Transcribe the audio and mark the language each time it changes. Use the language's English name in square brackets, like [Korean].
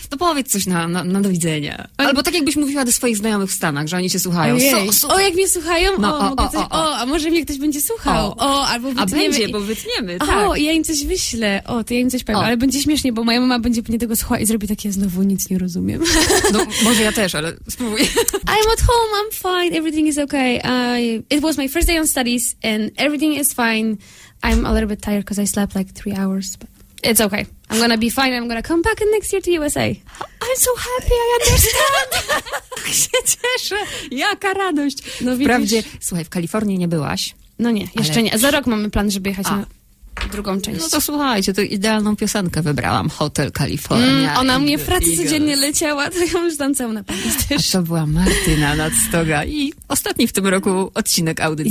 [Polish] No powiedz coś na do widzenia. Albo tak jakbyś mówiła do swoich znajomych w Stanach, że oni cię słuchają. O, jak mnie słuchają? A może mnie ktoś będzie słuchał? Albo wytniemy. A będzie, bo wytniemy, tak. Ja im coś wyślę. To ja im coś powiem. Ale będzie śmiesznie, bo moja mama będzie mnie tego słuchała i zrobi takie, znowu nic nie rozumiem. No, może ja też, ale spróbuj. [English] I'm at home, I'm fine, everything is okay. It was my first day on studies and everything is fine. I'm a little bit tired because I slept like 3 hours, but it's okay. I'm gonna be fine, I'm gonna come back in next year to USA. I'm so happy, I understand. [Polish] Tak się cieszę. Jaka radość. No, wprawdzie, słuchaj, w Kalifornii nie byłaś. No nie, jeszcze ale... nie. Za rok mamy plan, żeby jechać na drugą część. No to słuchajcie, to idealną piosenkę wybrałam, Hotel California. Ona mnie w pracy codziennie leciała, to ja już tam całą na pamięć też. A to była Martyna Nadstoga i ostatni w tym roku odcinek audycji.